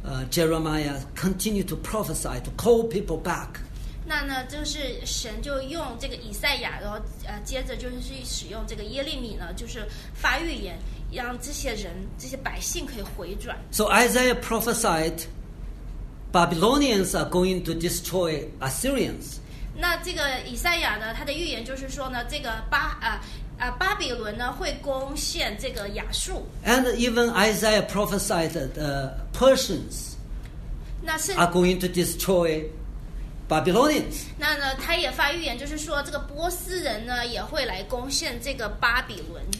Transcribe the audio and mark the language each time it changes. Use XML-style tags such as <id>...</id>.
<en>Jeremiah continued to prophesy to call people back.</en> <zh>那呢，就是神就用这个以赛亚，然后接着就是使用这个耶利米呢，就是发预言，让这些人、这些百姓可以回转。</zh> <en>So Isaiah prophesied, Babylonians are going to destroy Assyrians.</en> <zh>那这个以赛亚呢，他的预言就是说呢，这个巴比伦呢会攻陷这个亚述。</zh> <en>And even Isaiah prophesied the Persians are going to destroy Babylonians.</en> <zh>那呢，他也发预言，就是说这个波斯人呢也会来攻陷这个巴比伦。</zh>